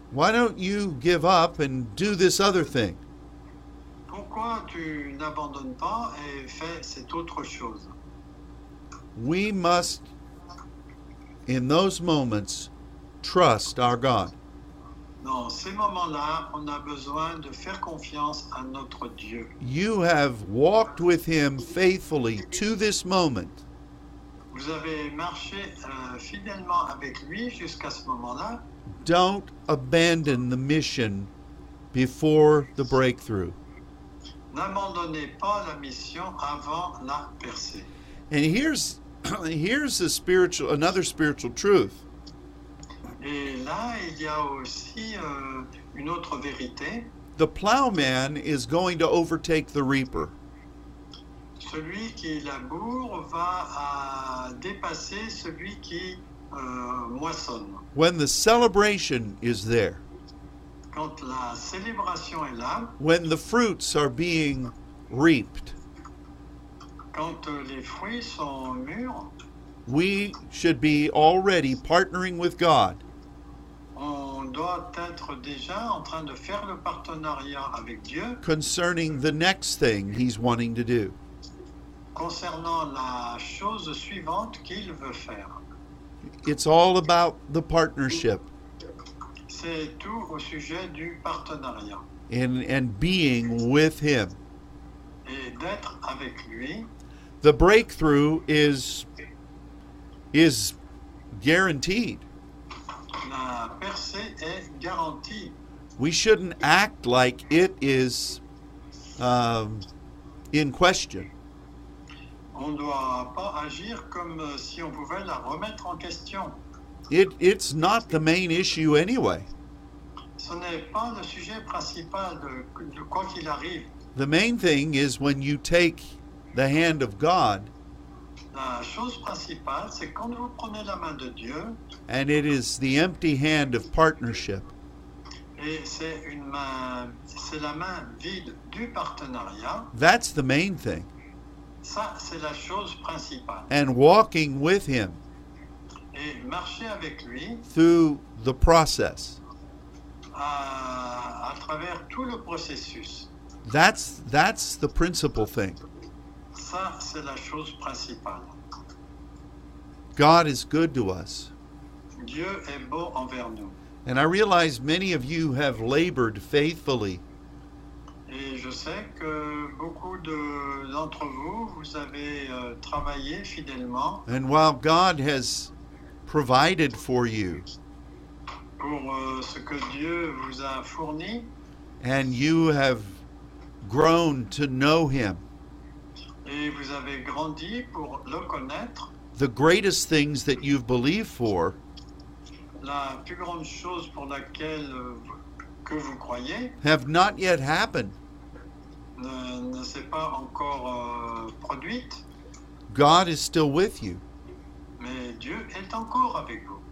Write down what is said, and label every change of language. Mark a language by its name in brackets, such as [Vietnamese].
[English] Why don't you give up and do this other thing? [French] Pourquoi tu n'abandonnes pas et fais cette autre chose? [English] We must, in those moments, trust our God. [French] Dans ces moments-là, on a besoin de faire confiance à notre Dieu. [English] You have walked with him faithfully to this moment. [French] Vous avez marché fidèlement avec lui jusqu'à ce moment-là. [English] Don't abandon the mission before the breakthrough. [French] N'abandonnez pas la mission avant la percée. [English] And here's a another spiritual truth. [French] Et là, il y a aussi une autre vérité. [English] The plowman is going to overtake the reaper. [French] Celui qui laboure va dépasser celui qui moissonne. [English] When the celebration is there. [French] Quand la célébration est là. [English] When the fruits are being reaped. [French] Quand les fruits sont mûrs. [English] We should be already partnering with God. [French] On doit être déjà en train de faire le partenariat avec Dieu. [English] Concerning the next thing he's wanting to do. [French] Concernant la chose suivante qu'il veut faire. [English] It's all about the partnership. [French] C'est tout au sujet du partenariat. [English] And being with him. [French] Et d'être avec lui. [English] The breakthrough is guaranteed. [French] La percée est garantie. [English] We shouldn't act like it is in question. [French] On doit pas agir comme si on pouvait la remettre en question. [English] It's not the main issue anyway. [French] Ce n'est pas le sujet principal de quoi qu'il arrive. [English] The main thing is when you take the hand of God. [French] La chose principale, c'est quand vous prenez la main de Dieu. [English] And it is the empty hand of partnership. [French] Et c'est la main vide du partenariat. [English] That's the main thing. [French] Ça, c'est la chose principale. [English] And walking with him. [French] Et marcher avec lui. [English] Through the process. [French] À travers tout le processus. [English] That's the principal thing. [French] Ça, c'est la chose principale. [English] God is good to us. [French] Dieu est bon envers nous. [English] And I realize many of you have labored faithfully. [French] Et je sais que beaucoup d'entre vous avez travaillé fidèlement. [English] And while God has provided for you. [French] Pour ce que Dieu vous a fourni. [English] And you have grown to know him. [French] Et vous avez grandi pour le connaître. [English] The greatest things that you've believed for. [French] La plus grande chose pour laquelle que vous croyez. [English] Have not yet happened. [French] Ne s'est pas encore produite. [English] God is still with you. [French] Mais Dieu est encore avec vous.